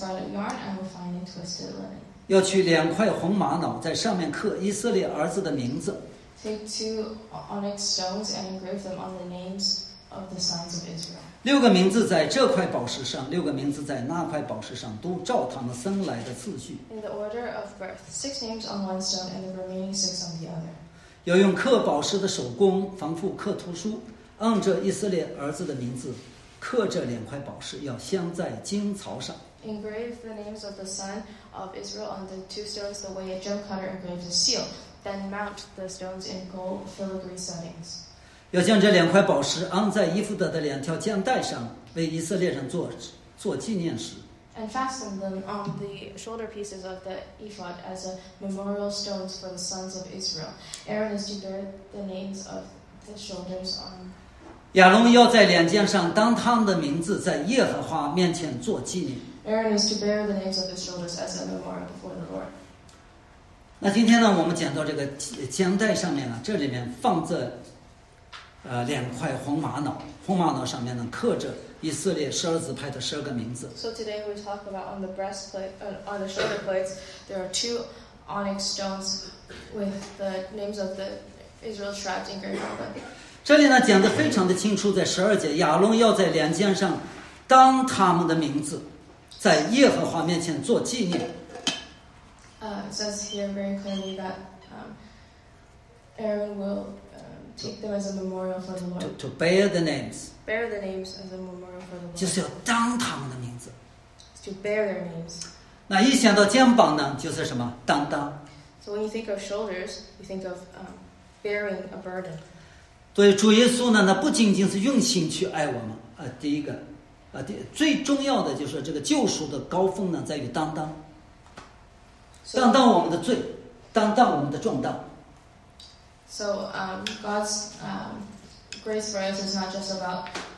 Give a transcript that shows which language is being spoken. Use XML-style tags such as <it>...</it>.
<en>And I mean, with gold, with blue, purple, and scarlet yarn, and with finely twisted linen. Take two onyx stones and engrave them on the names of the sons of Israel.</en> <zh>六个名字在这块宝石上，六个名字在那块宝石上，都照他们生来的次序。</zh> <en>In the order of birth, six names on one stone, and the remaining six on the other.</en> <zh>要用刻宝石的手工，仿佛刻图书，按着以色列儿子的名字。刻这两块宝石要镶在金槽上。</zh> <en>Engrave the names of the son of Israel on the two stones the way a gem cutter engraves a seal. Then mount the stones in gold filigree settings.</en> <zh>要将这两块宝石安在以弗德的两条肩带上，为以色列人做纪念石。</zh> <en>And fasten them on the shoulder pieces of the ephod as a memorial stones for the sons of Israel. Aaron is to bear the names of the shoulders on.</en> <zh>亚伦要在两肩上当他们的名字，在耶和华面前做纪念。</zh> <en>Aaron is to bear the names of his shoulders as a memorial before the Lord.</en> <zh>那今天呢，我们讲到这个肩带上面啊，这里面放着两块红玛瑙，红玛瑙上面呢刻着以色列十二支派的十二个名字。</zh> <en>So today we talk about on the breastplate, on the shoulder plates, there are two onyx stones with the names of the Israel tribes engraved on them.</en> <zh>这里呢讲得非常的清楚，在十二节，亚伦要在两肩上当他们的名字，在耶和华面前做纪念。</zh> <en>It says here very clearly that Aaron will take them as a memorial for the Lord. To bear the names. Bear the names as a memorial for the Lord.</en> <zh>就是要当他们的名字。</zh> <en>To bear their names.</en> <zh>那一想到肩膀呢，就是什么担当。</zh> <en>So when you think of shoulders, you think of bearing a burden.</en> <zh>所以主耶稣呢，那不仅仅是用心去爱我们，第一个，最重要的就是这个救赎的高峰呢，在于担当，担当我们的罪，担当我们的重担。</zh> <en>So God's grace for us is not just about</en>